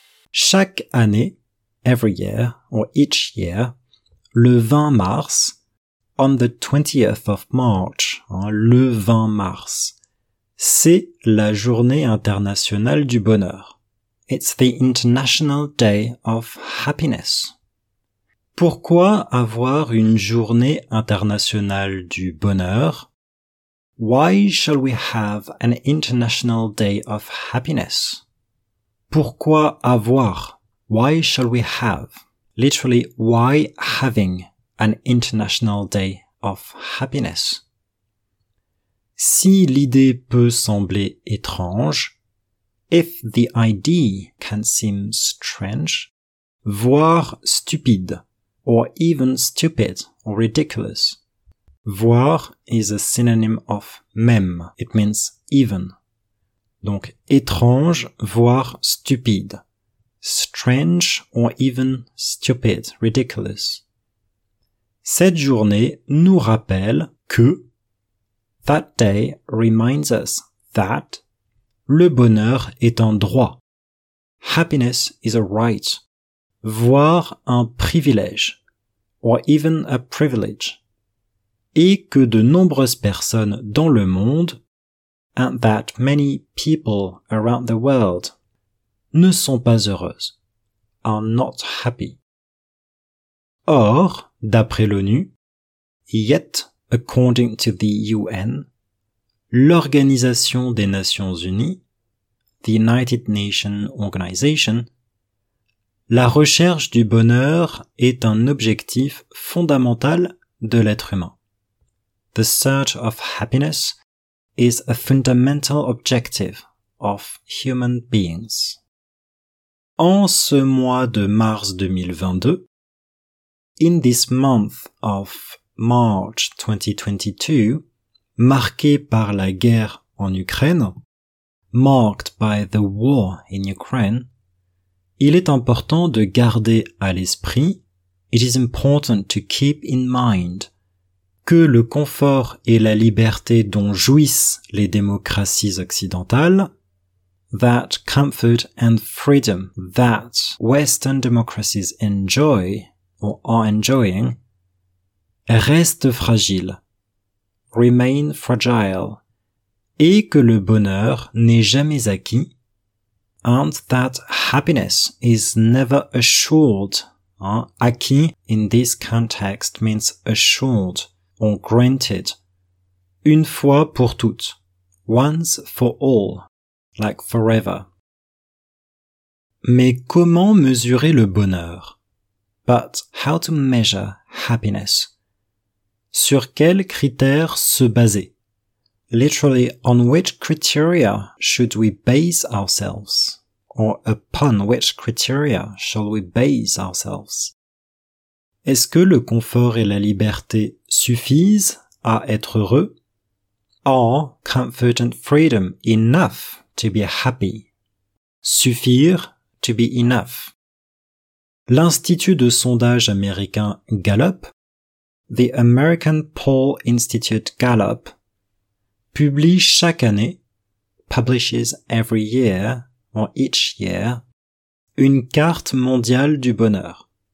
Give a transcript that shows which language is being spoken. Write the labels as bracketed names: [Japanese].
[French] Chaque année, [English] every year, or each year, [French] le 20 mars, [English] on the 20th of March, le 20 mars. [French] C'est la journée internationale du bonheur. [English] It's the International Day of Happiness. [French] Pourquoi avoir une journée internationale du bonheur? [English] Why shall we have an International Day of Happiness? [French] Pourquoi avoir? [English] Why shall we have? literally, why having an International Day of Happiness? [French] Si l'idée peut sembler étrange, [English] if the idea can seem strange, [French] voire stupide, [English] or even stupid or ridiculous. Voir is a synonym of même. It means even. [French] Donc, étrange, voire stupide. [English] Strange or even stupid, ridiculous. [French] Cette journée nous rappelle que [English] that day reminds us that [French] le bonheur est un droit. [English] Happiness is a right. [French] Voire un privilège. [English] Or even a privilege. [French] Et que de nombreuses personnes dans le monde, [English] and that many people around the world, [French] ne sont pas heureuses, [English] are not happy. [French] Or, d'après l'ONU, [English] yet, according to the UN, [French] l'Organisation des Nations Unies, [English] the United Nations Organization, [French] la recherche du bonheur est un objectif fondamental de l'être humain. [English] The search of happiness is a fundamental objective of human beings. [French] En ce mois de mars 2022, [English] in this month of March 2022, [French] marqué par la guerre en Ukraine, [English] marked by the war in Ukraine, [French] il est important de garder à l'esprit, [English] it is important to keep in mind, [French] que le confort et la liberté dont jouissent les démocraties occidentales, [English] that comfort and freedom that Western democracies enjoy or are enjoying, [French] restent fragiles, [English] remain fragile, [French] et que le bonheur n'est jamais acquis, [English] and that happiness is never assured. Acquis in this context means assured. Or granted, [French] une fois pour toutes, [English] once for all, like forever. [French] Mais comment mesurer le bonheur? [English] But how to measure happiness? [French] Sur quels critères se baser? [English] Literally, on which criteria should we base ourselves? Or upon which criteria shall we base ourselves? [French] Est-ce que le confort et la liberté suffisent à être heureux? [English] Are comfort and freedom enough to be happy? Suffire to be enough. [French] L'Institut de sondage américain Gallup, [English] the American Poll Institute Gallup, [French] publie chaque année, [English] publishes every year, or each year, [French] une carte mondiale du bonheur.